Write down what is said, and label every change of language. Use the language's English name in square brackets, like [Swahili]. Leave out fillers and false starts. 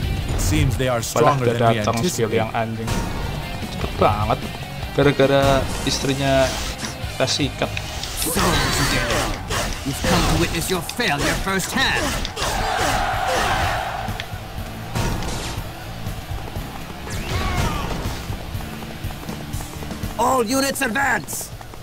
[English] It seems they are stronger than we anticipated. [Indonesian] Yang anjing. Cepet banget. Gara-gara istrinya kasihkan. [English] So, Shukilian, you've come to witness your failure firsthand. All units advance!